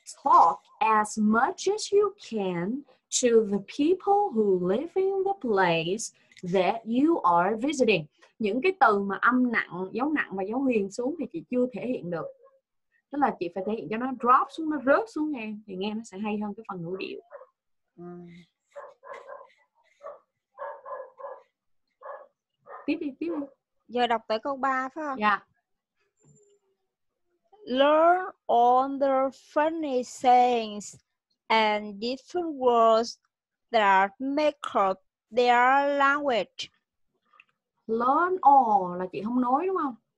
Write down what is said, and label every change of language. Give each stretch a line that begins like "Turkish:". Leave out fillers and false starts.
English: Talk as much as you can to the people who live in the place that you are visiting.
Vietnamese: Những cái từ mà âm nặng, dấu nặng và dấu huyền xuống thì chị chưa thể hiện được. Tức là chị phải thể hiện cho nó drop xuống, nó rớt xuống nghe. Thì nghe nó sẽ hay hơn cái phần ngữ điệu. Tiếp đi, tiếp đi. Giờ đọc tới câu 3 phải không? Dạ. Yeah.
English: Learn all the funny things and different words that make up their language. Learn all
Vietnamese: là chị không nói đúng không?